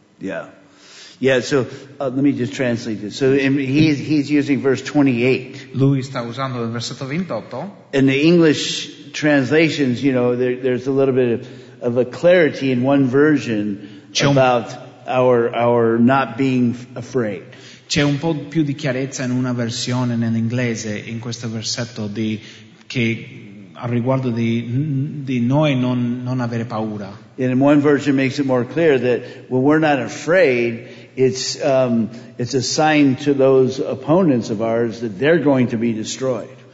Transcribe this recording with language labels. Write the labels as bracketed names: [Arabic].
[English] Yeah. So let me just translate this. So he's using verse 28. [Italian] Lui sta usando il versetto 28. [English] In the English translations, you know, there's a little bit of a clarity in one version about our not being afraid. [Italian] C'è un po' più di chiarezza in una versione nell'inglese, in questo versetto, che a riguardo di noi non avere paura. [English] And in one version makes it more clear that when we're not afraid, it's a sign to those opponents of ours that they're going to be destroyed.